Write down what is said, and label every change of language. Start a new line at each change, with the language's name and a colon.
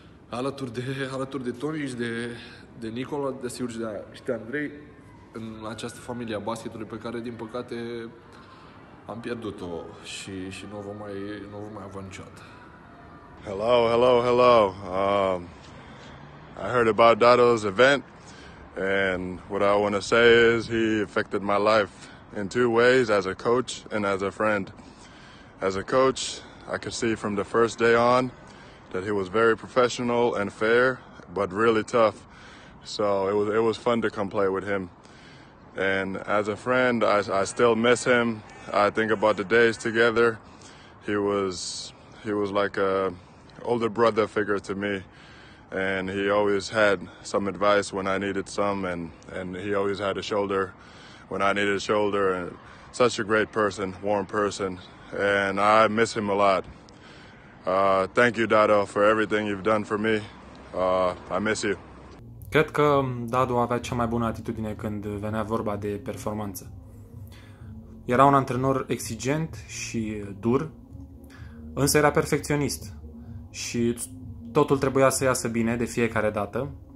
Romanian: Alături de Tony și de Nicola, de sigur și de Andrei, în această familie a basketului pe care, din păcate, am pierdut-o și nu o vom mai avea niciodată.
English: Hello. I heard about Dado's event, and what I want to say is he affected my life in two ways, as a coach and as a friend. As a coach, I could see from the first day on that he was very professional and fair, but really tough So it was fun to come play with him. And as a friend, I still miss him. I think about the days together. He was like a older brother figure to me. And he always had some advice when I needed some, and he always had a shoulder when I needed a shoulder. And such a great person, warm person, and I miss him a lot. Thank you, Dado, for everything you've done for me. I miss you.
Romanian: Cred că Dado avea cea mai bună atitudine când venea vorba de performanță. Era un antrenor exigent și dur, însă era perfecționist și totul trebuia să iasă bine de fiecare dată.